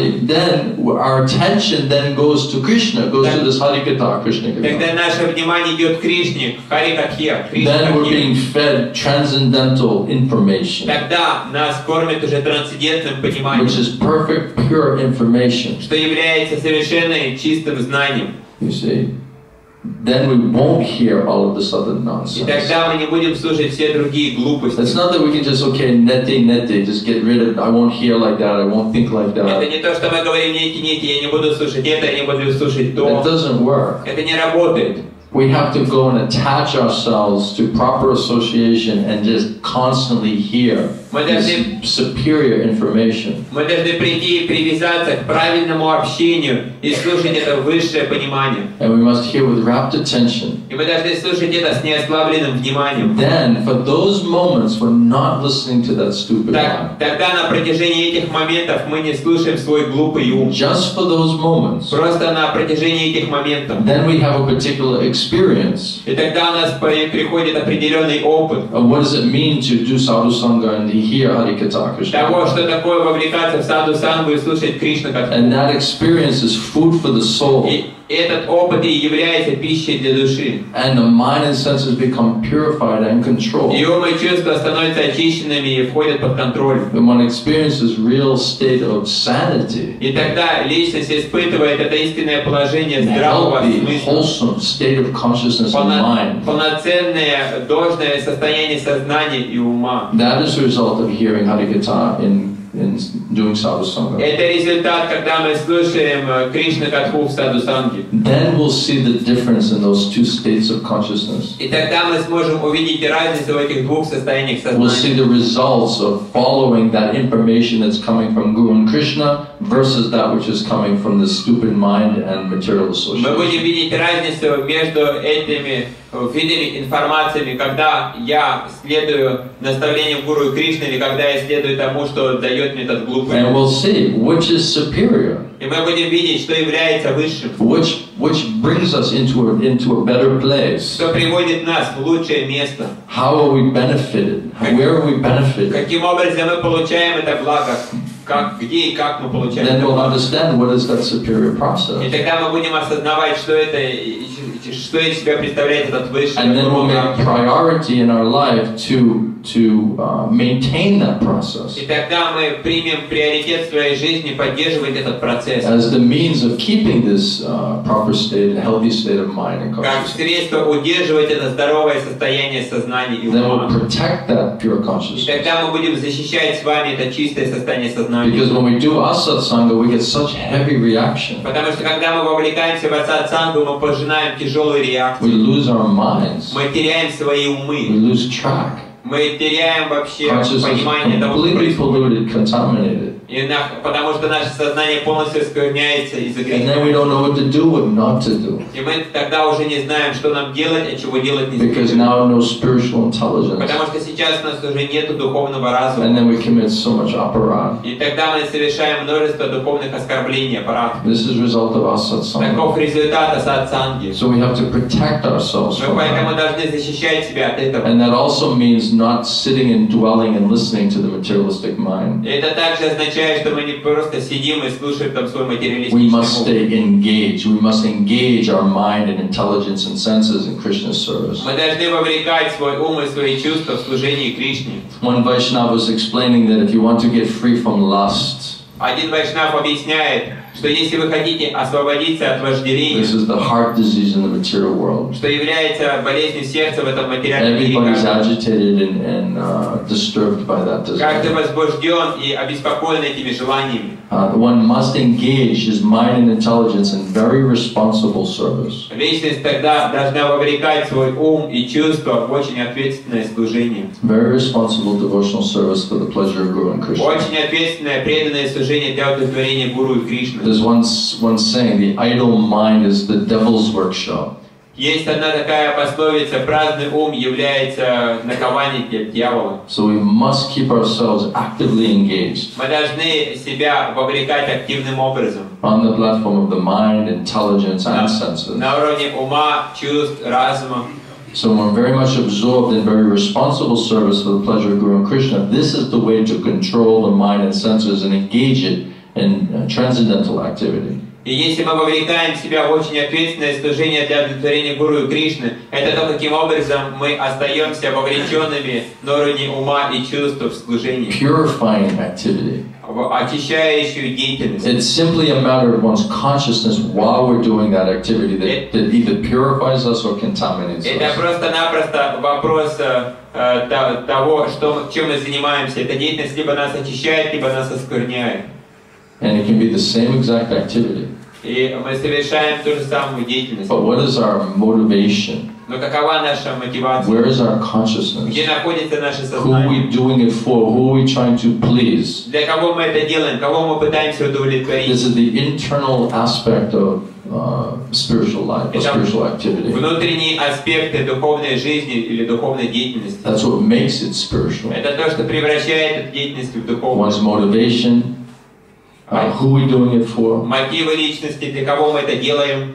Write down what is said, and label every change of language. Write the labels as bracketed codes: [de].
[en] then our attention then goes to Krishna, goes to this Hari Katha, Krishna Katha. [ru] Тогда наше внимание идет к Кришне, Хари Катхе. [en] Then we're being fed transcendental information. [ru] Тогда нас кормят уже трансцендентным пониманием. [en] Perfect, pure information. [ru] Что является совершенно чистым знанием. [en] You see, then we won't hear all of this other nonsense. [ru] И тогда мы не будем слушать все другие глупости. [en] It's not that we can just okay, nette, just get rid of. I won't hear like that. I won't think like that. [ru] Это не то, что мы говорим нете, я не буду слушать это, я не буду слушать то. [en] It doesn't work. [ru] Это не работает. [en] We have to go and attach ourselves to proper association and just constantly hear superior information. [ru] Мы должны прийти и привязаться к правильному общению и слушать это высшее понимание. [en] And we must hear with rapt attention. [ru] И мы должны слушать это с неослабленным вниманием. [en] Then, for those moments, we're not listening to that stupid mind. [ru] Тогда на протяжении этих моментов мы не слушаем свой глупый ум. [en] Just for those moments. [ru] Просто на протяжении этих моментов. [en] Then we have a particular experience. experience. [ru] И тогда у нас приходит определенный опыт. [en] What does it mean to do sadhu sangha and hear Hari Katha Krishna? [ru] Того, что такое вовлекаться в саду сангу и слушать Кришна Катху. [en] And that experience is food for the soul. [ru] И этот опыт и является пищей для души. [en] And the mind and senses become purified and controlled. [ru] И ум и чувства становятся очищенными и входят под контроль. [en] When one experiences real state of sanity. [ru] И тогда личность испытывает это истинное положение здравого смысла. [en] Wholesome state of consciousness and mind. [ru] Полноценное, должное состояние сознания и ума. [en] That is the result of hearing Hari Katha in doing sadhu sangha. [ru] Это результат, когда мы слушаем Кришна Катху в саду санги. [en] Then we'll see the difference in those two states of consciousness. [ru] И тогда мы сможем увидеть разницу в этих двух состояниях сознания. [en] We'll see the results of following that information that's coming from Guru and Krishna versus that which is coming from the stupid mind and material association. [ru] Мы будем видеть разницу между этими видели информациями, когда я следую наставлениям Гуру и Кришны, или когда я следую тому, что дает мне этот глупый. [en] And we'll see which is superior. [ru] И мы будем видеть, что является высшим. [en] Which brings us into a better place. [ru] Что приводит нас в лучшее место. [en] How are we benefited? Where are we benefited? [ru] Каким образом мы получаем это благо? [en] Then we'll understand what is that superior process. [ru] И тогда мы будем осознавать, что это, что из себя представляет этот высший. [en] And then we'll make priority in our life to maintain that process. [ru] И тогда мы примем приоритет в своей жизни поддерживать этот процесс. [en] As the means of keeping this proper state, healthy state of mind and consciousness. [ru] Как средство удерживать это здоровое состояние сознания и ума. [en] Then we'll protect that pure consciousness. [ru] И тогда мы будем защищать с вами это чистое состояние сознания. [en] Because when we do asatsanga, we get such heavy reaction. [ru] Потому что когда мы вовлекаемся в асатсангу, мы пожинаем тяжелые реакции. [en] We lose our minds. [ru] Мы теряем свои умы. [en] We lose track. [ru] Мы теряем вообще понимание того, что происходит. [en] Completely polluted, contaminated. [ru] Потому что наше сознание полностью оскверняется из-за греха. [en] And then we don't know what to do, what not to do. [ru] И мы тогда уже не знаем, что нам делать, а чего делать не стоит. [en] Because now no spiritual intelligence. [ru] Потому что сейчас у нас уже нету духовного разума. [en] And then we commit so much aparad. [ru] И тогда мы совершаем множество духовных оскорблений аппарат. [en] This is result of asatsanga. [ru] Таков результат асатсанги. [en] So we have to protect ourselves. [ru] Мы поэтому должны защищать себя от этого. [en] And that also means not sitting and dwelling and listening to the materialistic mind. [ru] Это также означает, что мы не просто сидим и слушаем там свой материалистический ум. [en] We must stay engaged. We must engage our mind and intelligence and senses in Krishna's service. [ru] Мы должны вовлекать свой ум и свои чувства в служение Кришне. [en] One Vaishnava was explaining that if you want to get free from lust. [ru] Один Вайшнав объясняет, что если вы хотите освободиться от вожделения, [en] this is the heart disease in the material world. [ru] Что является болезнью сердца в этом материальном мире. [en] Everybody's agitated and disturbed by that desire. [ru] Каждый возбужден и обеспокоен этими желаниями. [en] One must engage his mind and intelligence in very responsible service. [ru] Личность тогда должна вовлекать свой ум и чувства в очень ответственное служение. [en] Very responsible devotional service for the pleasure of Guru and Krishna. [ru] Очень ответственное преданное служение для удовлетворения Гуру и Кришны. [en] There's one saying: the idle mind is the devil's workshop. [ru] Есть одна такая пословица: праздный ум является наковальней для дьявола. [en] So we must keep ourselves actively engaged. [ru] Мы должны себя вовлекать активным образом. [en] On the platform of the mind, intelligence, and senses. [ru] На уровне ума, чувств, разума. [en] So we're very much absorbed in very responsible service for the pleasure of Guru and Krishna. This is the way to control the mind and senses and engage it in transcendental activity. [ru] И если мы вовлекаем в себя в очень ответственное служение для удовлетворения Гуру и Кришны, это то, каким образом мы остаемся вовлеченными на уровне ума и чувств в служении. [en] Purifying activity. [ru] В очищающую деятельность. [en] It's simply a matter of one's consciousness while we're doing that activity that either purifies us or contaminates us. [ru] Это просто-напросто вопрос того, чем мы занимаемся. Эта деятельность либо нас очищает, либо нас оскверняет. [en] And it can be the same exact activity. [ru] И мы совершаем ту же самую деятельность. [en] But what is our motivation? [ru] Но какова наша мотивация? [en] Where is our consciousness? [ru] Где находится наше сознание? [en] Who are we doing it for? Who are we trying to please? [ru] Для кого мы это делаем? Кого мы пытаемся удовлетворить? [en] This is the internal aspect of spiritual life, or spiritual activity. [ru] Внутренние аспекты духовной жизни или духовной деятельности. [en] That's what makes it spiritual. [ru] Это то, что превращает эту деятельность в духовную. [en] One's motivation. Who are we doing it for? [ru] Мотивы личности, для кого мы это делаем?